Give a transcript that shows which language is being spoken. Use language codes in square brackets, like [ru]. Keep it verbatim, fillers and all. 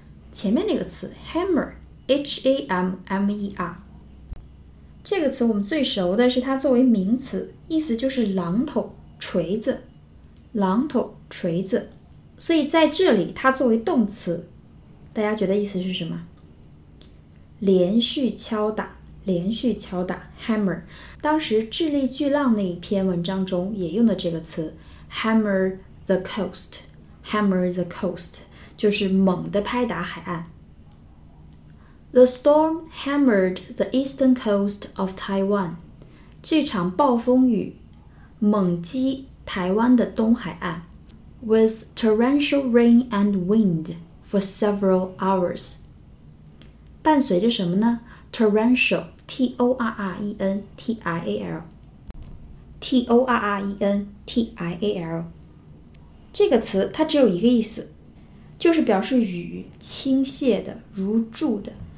[zh] 前面那个词 hammer H A M M E R 这个词我们最熟的是它作为名词，意思就是榔头、锤子，榔头、锤子，所以在这里它作为动词，大家觉得意思是什么？连续敲打，连续敲打 hammer。当时智利巨浪那一篇文章中也用的这个词 [en] hammer the coast hammer the coast [zh] 就是猛地拍打海岸。 [en] The storm hammered the eastern coast of Taiwan. [zh] 这场暴风雨猛击台湾的东海岸 [en] with torrential rain and wind for several hours. [zh] 伴随着什么呢？ torrential, T-O-R-R-E-N-T-I-A-L T-O-R-R-E-N-T-I-A-L 这个词它只有一个意思，就是表示雨倾泻的，如注的。